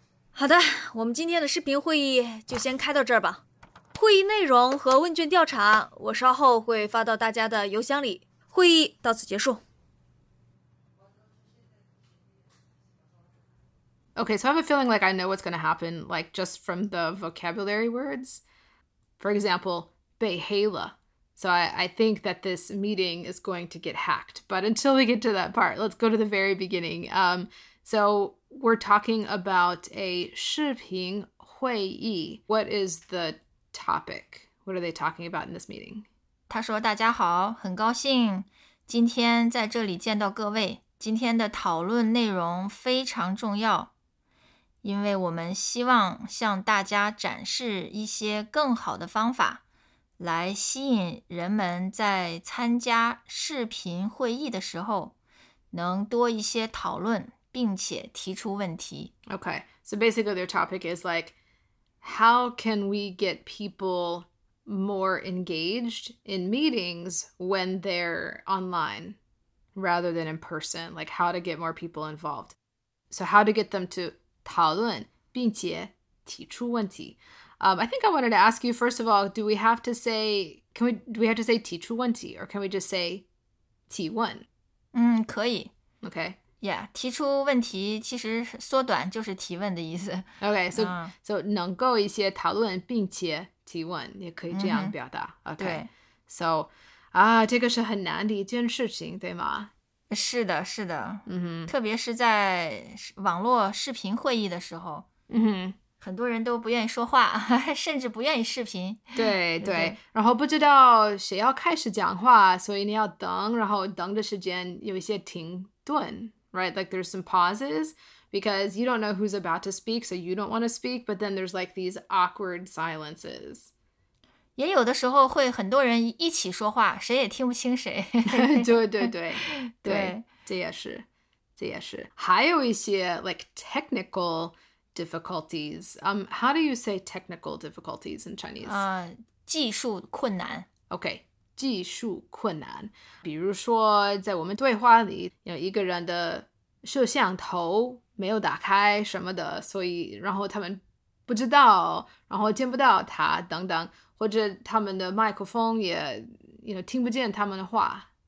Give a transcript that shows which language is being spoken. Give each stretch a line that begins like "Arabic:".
Chinese: 好的，我们今天的视频会议就先开到这儿吧。会议内容和问卷调查我稍后会发到大家的邮箱里，会议到此结束。
English: Okay, so I have a feeling like I know what's going to happen, like just from the vocabulary words. For example,
Chinese: 被黑了。
English: So I think that this meeting is going to get hacked. But until we get to that part, let's go to the very beginning. So we're talking about a 视频会议。 What is the topic? What are they talking about in this meeting?
Chinese: 他说大家好，很高兴今天在这里见到各位。今天的讨论内容非常重要，因为我们希望向大家展示一些更好的方法，来吸引人们在参加视频会议的时候能多一些讨论并且提出问题。
English: Okay, so basically their topic is like, how can we get people more engaged in meetings when they're online rather than in person? Like how to get more people involved. So how to get them to
Chinese: 讨论并且提出问题。
English: I think I wanted to ask you, first of all, do we have to say 提出问题, or can we just say 提问?
Chinese: 可以。
English: Okay. Yeah,
Chinese: 提出问题其实缩短就是提问的意思。
English: Okay, so,so
Chinese: 能够一些讨论并且提问也可以这样表达。
English: Mm-hmm. Okay. So,
Chinese: 这个是很难的一件事情，对吗？是的，是的。 Mm-hmm. 特别是在网络视频会议的时候。 Mm-hmm. 很多人都不愿意说话，甚至不愿意视频。对对，然后不知道谁要开始讲话，所以你要等，然后等的时间有一些停顿，
English: right? Like there's some pauses because you don't know who's about to speak, so you don't want to speak, but then there's like these awkward silences.
Chinese: 也有的时候会很多人一起说话，谁也听不清谁。对对对对，对，这也是，这也是。还有一些
English: like technicaldifficulties. How do you say technical difficulties in Chinese?
Chinese: 技术困难。
English: Okay,
Chinese: 技术困难。比如说在我们对话里有一个人的摄像头没有打开什么的，所以然后他们不知道，然后见不到他等等，或者他们的麦克风也
English: you know,
Chinese: 听不见他们的话。